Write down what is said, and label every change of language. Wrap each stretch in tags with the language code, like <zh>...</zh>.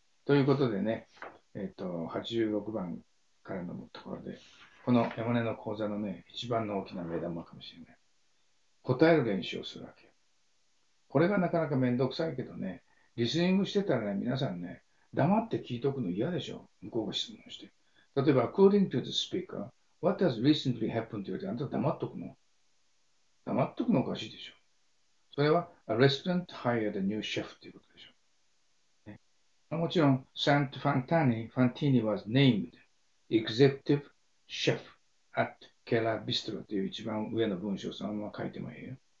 <ja>ということでね、86番からのところで、この山根の講座のね、一番の大きな目玉かもしれない。答える練習をするわけ。これがなかなかめんどくさいけどね、リスニングしてたらね、皆さんね、黙って聞いとくの嫌でしょ。向こうが質問して。</ja> <en>例えば、according to the speaker、What has recently happened?</en> <ja>って言われて、あんた黙っとくの？黙っとくのおかしいでしょ。それは、</ja> <en>A resident hired a new chef</en> <ja>っていうことでしょ。まあ、もちろん、</ja> <en>Saint Fantini was named executive chef at Kela Bistro</en> <ja>っていう一番上の文章をそのまま書いてもいいよ。</ja>